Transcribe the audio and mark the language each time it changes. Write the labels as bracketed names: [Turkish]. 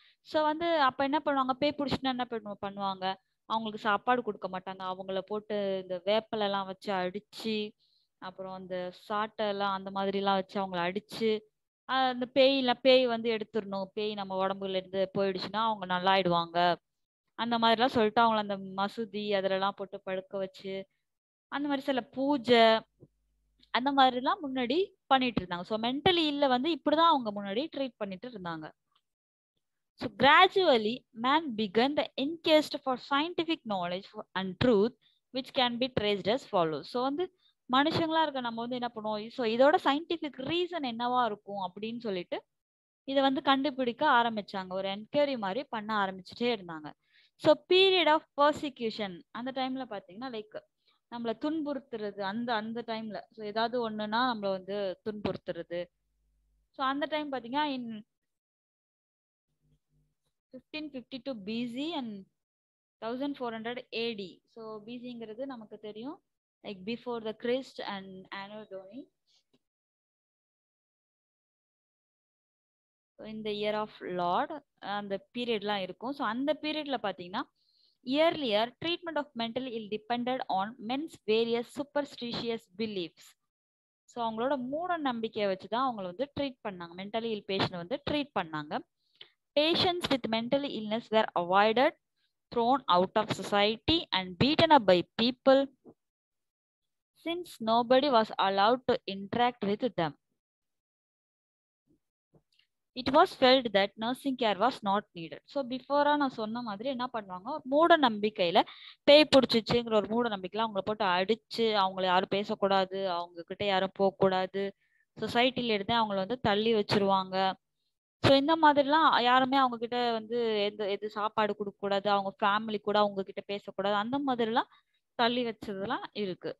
[Tamil] So வந்து அப்போ என்ன பண்ணுவாங்க, பேய் பிடிச்சின்னா என்ன பண்ணுவாங்க, அவங்களுக்கு சாப்பாடு கொடுக்க மாட்டாங்க, அவங்கள போட்டு இந்த வேப்பிலெல்லாம் வச்சு அடித்து, அப்புறம் அந்த சாட்டெல்லாம் அந்த மாதிரிலாம் வச்சு அவங்கள அடித்து அந்த பேயெல்லாம் பேய் வந்து எடுத்துடணும், பேய் நம்ம உடம்புலேருந்து போயிடுச்சுன்னா அவங்க நல்லா ஆயிடுவாங்க அந்த மாதிரிலாம் சொல்லிட்டு அவங்கள அந்த மசூதி அதிலலாம் போட்டு படுக்க வச்சு அந்த மாதிரி சில பூஜை அந்த மாதிரிலாம் முன்னாடி பண்ணிட்டு இருந்தாங்க. ஸோ மென்டலி இல்லை வந்து இப்படி தான் அவங்க முன்னாடி ட்ரீட் பண்ணிட்டு இருந்தாங்க. [English] So gradually, man began the inquest for scientific knowledge and truth, which can be traced as follows. [Tamil] So, வந்து மனுஷங்களா இருக்க நம்ம வந்து என்ன பண்ணுவோம், ஸோ இதோட சயின்டிஃபிக் ரீசன் என்னவா இருக்கும் அப்படின்னு சொல்லிட்டு இதை வந்து கண்டுபிடிக்க ஆரம்பிச்சாங்க, ஒரு என்கொயரி மாதிரி பண்ண ஆரம்பிச்சுட்டே இருந்தாங்க. ஸோ பீரியட் ஆஃப் பர்சிக்யூஷன் அந்த டைம்ல பார்த்தீங்கன்னா லைக் நம்மளை துன்புறுத்துறது அந்த அந்த டைம்ல, ஸோ ஏதாவது ஒன்றுனா நம்மளை வந்து துன்புறுத்துறது. ஸோ அந்த டைம் பார்த்தீங்கன்னா இன் [English] 1552 BC and 1400 AD. So BC ங்கிறது [Tamil] நமக்கு தெரியும் [English] like before the Christ and Anno Domini. So in the year of Lord [Tamil] அந்த பீரியட்லாம் இருக்கும். [English] so [Tamil] அந்த பீரியட்ல பார்த்தீங்கன்னா [English] Earlier treatment of mental ill depended on men's various superstitious beliefs. [Tamil] So அவங்களோட மூட நம்பிக்கையை வச்சு தான் அவங்களை வந்து ட்ரீட் பண்ணாங்க, மென்டலி இல் பேஷண்ட் வந்து ட்ரீட் பண்ணாங்க. [English] Patients with mental illness were avoided, thrown out of society and beaten up by people since nobody was allowed to interact with them. It was felt that nursing care was not needed. [Tamil] So before நான் சொன்ன மாதிரி என்ன பண்ணுவாங்க, மூட நம்பிக்கையில பேய் பிடிச்சிச்சுங்கிற ஒரு மூட நம்பிக்கையில அவங்களை போட்டு அடிச்சு அவங்களை யாரும் பேசக்கூடாது, அவங்க கிட்ட யாரும் போகக்கூடாது, சொசைட்டில இருந்து அவங்களை வந்து தள்ளி வச்சிருவாங்க. ஸோ இந்த மாதிரிலாம் யாருமே அவங்க கிட்ட வந்து எந்த எது சாப்பாடு கொடுக்கக்கூடாது, அவங்க ஃபேமிலி கூட அவங்க கிட்ட பேசக்கூடாது, அந்த மாதிரிலாம் தள்ளி வச்சதுலாம் இருக்கு.